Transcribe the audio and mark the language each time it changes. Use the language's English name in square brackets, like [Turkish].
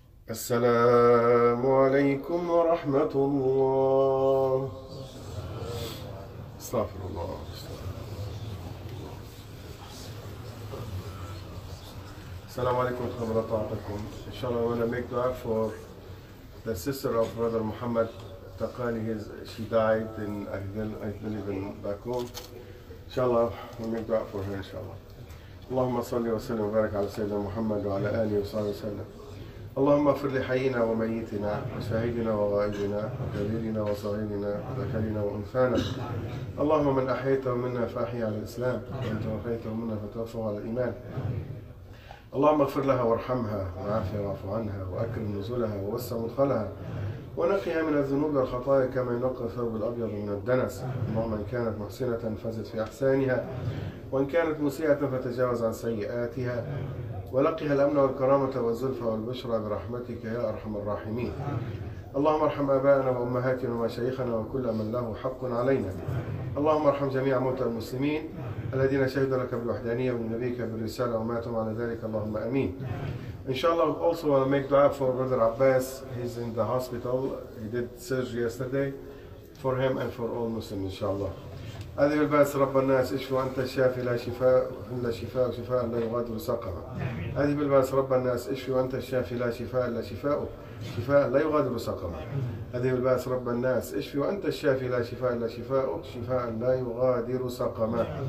[Arabic] السلام عليكم ورحمة الله. استغفر الله. السلام عليكم ورحمة الله وبركاته. إن شاء الله أنا [English] make dua for the sister of brother Muhammad Taqani. She died in I believe in Bakun. [Arabic] إن شاء الله [English] we make dua for her. [Arabic] إن شاء الله. اللهم صل وسلم وبارك على سيدنا محمد وعلى آله وصحبه وسلم. اللهم اغفر لحيينا وميتنا وشهيدنا وغائبنا وكبيرنا وصغيرنا وذكرنا وانثانا. اللهم من احييته منا فاحيه على الاسلام ومن توفيته منا فتوفه على الايمان. اللهم اغفر لها وارحمها وعافها واعف عنها واكرم نزولها ووسع مدخلها ونقها من الذنوب والخطايا كما ينقى الثوب الابيض من الدنس. اللهم ان كانت محسنه فازت في احسانها وان كانت مسيئه فتجاوز عن سيئاتها ولقها الأمن والكرامة والزلفة والبشرى برحمتك يا أرحم الراحمين. اللهم ارحم أباءنا وأمهاتنا ومشايخنا وكل من له حق علينا. اللهم ارحم جميع موتى المسلمين الذين شهدوا لك بالوحدانية ونبيك بالرسالة وماتوا على ذلك. اللهم أمين. إن شاء الله [English] also want to make dua for brother Abbas. He's in the hospital. He did surgery yesterday for him and for all Muslims. [Arabic] إن شاء الله. هذه الباس رب الناس اشفوا انت الشافي لا شفاء الا شفاء شفاء لا يغادر سقما. هذه الباس رب الناس اشفوا انت الشافي لا شفاء الا شفاء شفاء لا يغادر سقما. هذه الباس رب الناس اشفوا انت الشافي لا شفاء الا شفاء شفاء لا يغادر سقما.